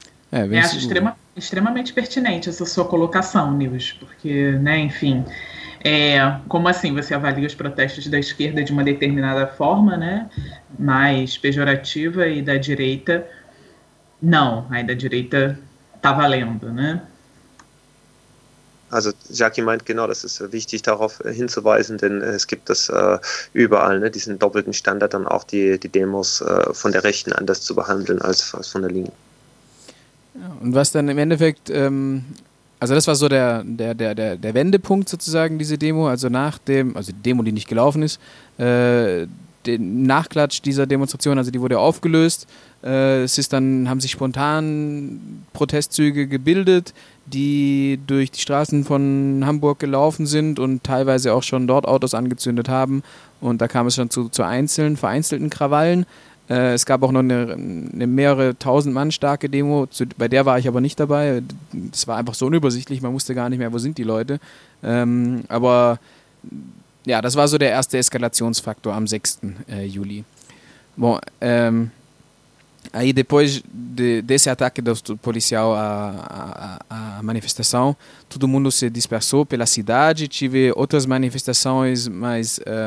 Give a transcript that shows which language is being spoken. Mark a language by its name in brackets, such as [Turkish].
[Portuguese] Acho extremamente pertinente essa sua colocação, Nils, porque, né, enfim, como assim você avalia os protestos da esquerda de uma determinada forma, né, mais pejorativa, e da direita, não, aí da direita tá valendo, né? [German] Also, Jackie meint genau, das ist wichtig, darauf hinzuweisen, denn es gibt das überall, ne, diesen doppelten Standard, dann auch die Demos von der Rechten anders zu behandeln als von der Linken. Und was dann im Endeffekt, also das war so der Wendepunkt sozusagen, diese Demo, also nach dem, also die Demo, die nicht gelaufen ist, den Nachklatsch dieser Demonstration, also die wurde aufgelöst, haben sich spontan Protestzüge gebildet, die durch die Straßen von Hamburg gelaufen sind und teilweise auch schon dort Autos angezündet haben, und da kam es schon zu vereinzelten Krawallen. Es gab auch noch eine mehrere tausend Mann starke Demo, bei der war ich aber nicht dabei. Es war einfach so unübersichtlich, man wusste gar nicht mehr, wo sind die Leute. Aber ja, das war so der erste Eskalationsfaktor am 6. Juli. [Portuguese] Bon, aí depois desse ataque do policial à manifestação, todo mundo se dispersou pela cidade, tive outras manifestações, mas